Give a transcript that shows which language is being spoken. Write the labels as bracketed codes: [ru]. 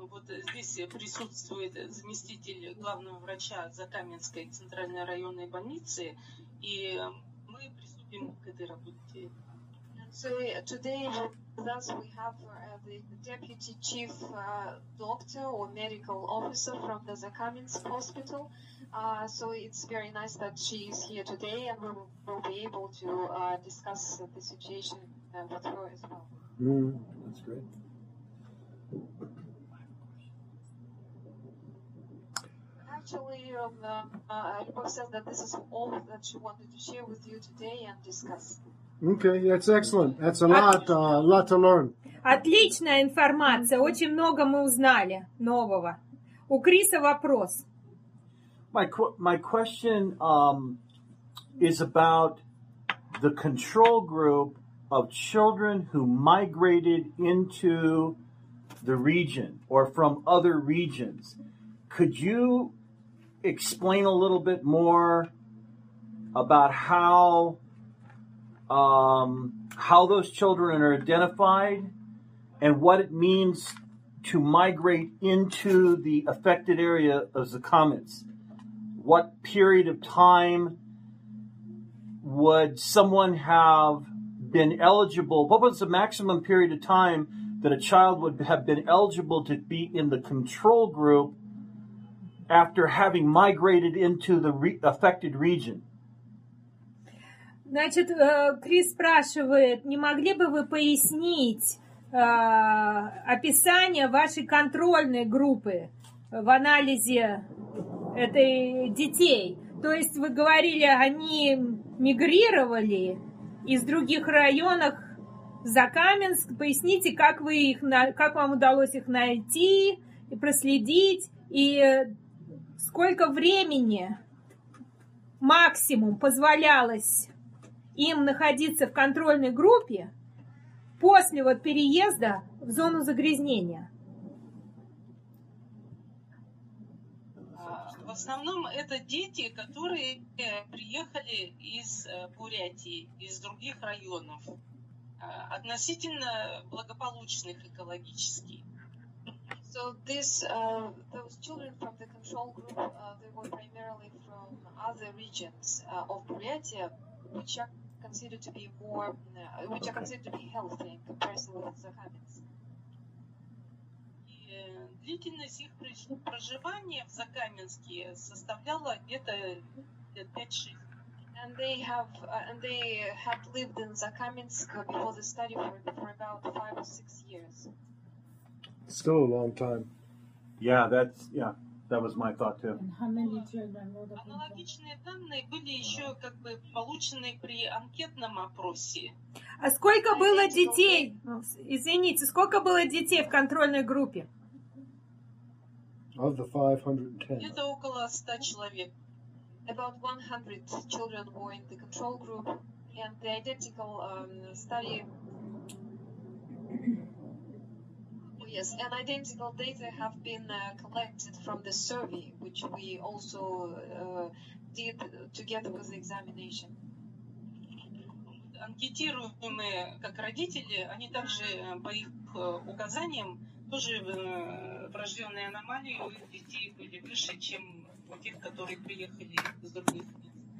[ru] Вот здесь присутствует заместитель главного врача Закаменской центральной районной больницы, и мы приступим к этой работе. [en] So today with us we have the deputy chief doctor or medical officer from the Zakamensk hospital. So it's very nice that she is here today, and we will be able to discuss the situation with her as well. Mm, that's great. Actually, Lyubov says that this is all that she wanted to share with you today and discuss. Okay, that's excellent. That's a lot, lot to learn. [ru] Отличная информация. Очень много мы узнали нового. У Криса вопрос. [en] My question is about the control group of children who migrated into the region or from other regions. Could you explain a little bit more about how those children are identified and what it means to migrate into the affected area of Zakamensk? What period of time would someone have been eligible? What was the maximum period of time that a child would have been eligible to be in the control group after having migrated into the affected region? [ru] Значит, Крис спрашивает, не могли бы вы пояснить описание вашей контрольной группы в анализе этой детей? То есть вы говорили, они мигрировали из других районов в Закаменск. Поясните, как вы их, как вам удалось их найти и проследить, и сколько времени максимум позволялось им находиться в контрольной группе после вот переезда в зону загрязнения. В основном это дети, которые приехали из Бурятии, из других районов, относительно благополучных экологически. [en] So this those children from the control group they were primarily from other regions of Бурятия, which are considered to be more which are considered to be healthy in comparison with Закаменск. [ru] Длительность их проживания в Закаменске составляла где-то 5-6. [en] And they have and they had lived in Закаменск before the study for about 5 or 6 years. Still a long time. Yeah, that's yeah, that was my thought too. [ru] Аналогичные данные были еще как бы получены при анкетном опросе. А сколько было детей? Извините, сколько было детей в контрольной группе? [en] Of the 510. [ru] Это около 100 человек. [en] About 100 children were in the control group, and the identical study. Yes, an identical data have been collected from the survey, which we also did together with the examination. [ru] Анкетируемые как родители, они также по их указаниям тоже врожденные аномалии у их детей были выше, чем у тех, которые приехали из других мест.